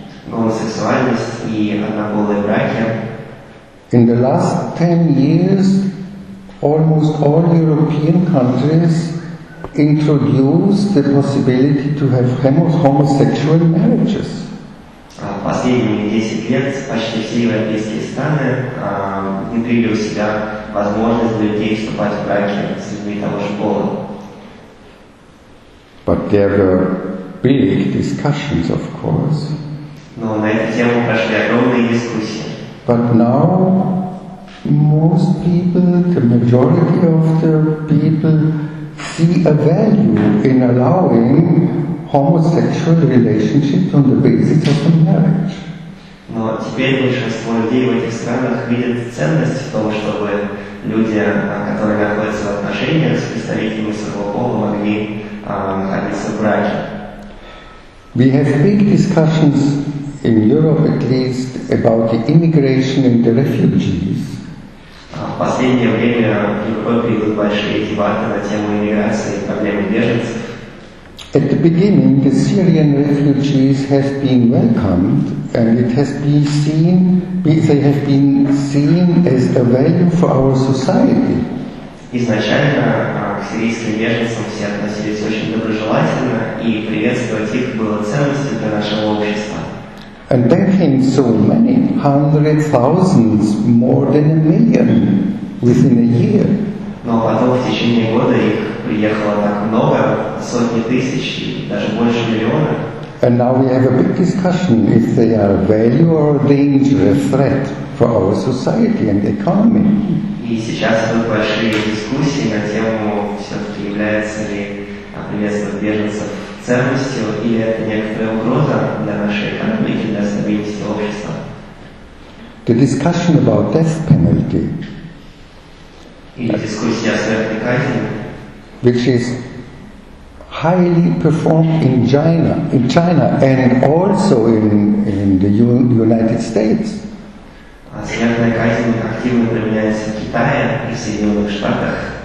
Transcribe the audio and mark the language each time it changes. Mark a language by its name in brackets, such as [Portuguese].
[Russian] Гомосексуальность и однополые браки. [English] In the last 10 years, almost all European countries introduced the possibility to have homosexual marriages. [Russian] Последние 10 лет почти все европейские страны внедрили у себя возможность для людей вступать в браки с людьми того же пола. [English] But there were big discussions, of course. [Russian] Но на эту тему прошли огромные дискуссии. [English] But now most people, the majority of the people, see a value in allowing homosexual relationships on the basis of a marriage. [Russian] Но теперь большинство людей в этих странах видят ценность в том, чтобы люди, которые находятся в отношениях с представителями своего пола, могли находиться в браке. [English] We have big discussions in Europe, at least, about the immigration and the refugees. [Russian] В последнее время в Европе идут большие дебаты на тему иммиграции и проблемы беженцев. [English] At the beginning, the Syrian refugees have been welcomed, and it has been seen, they have been seen as a value for our society. [Russian] Изначально к сирийским беженцам все относились очень доброжелательно, и приветствовать их было ценностью для нашего общества. [English] And then came so many, hundreds of thousands, more than a million within a year. [Russian] Но потом в течение года их приехало так много, сотни тысяч, даже больше миллиона. [English] And now we have a big discussion if they are a value or a danger, a threat for our society and economy. [Russian] И сейчас идут большие дискуссии на тему, все-таки является ли приветствовать беженцев ценностью, или это некоторая угроза для нашей экономики, для стабильности общества. [English] The discussion about death penalty. [Russian] Или дискуссия о смертной казни. [English] Which is highly performed in China, and also in the United States. [Russian] Смертная казнь активно применяется в Китае и в Соединенных Штатах.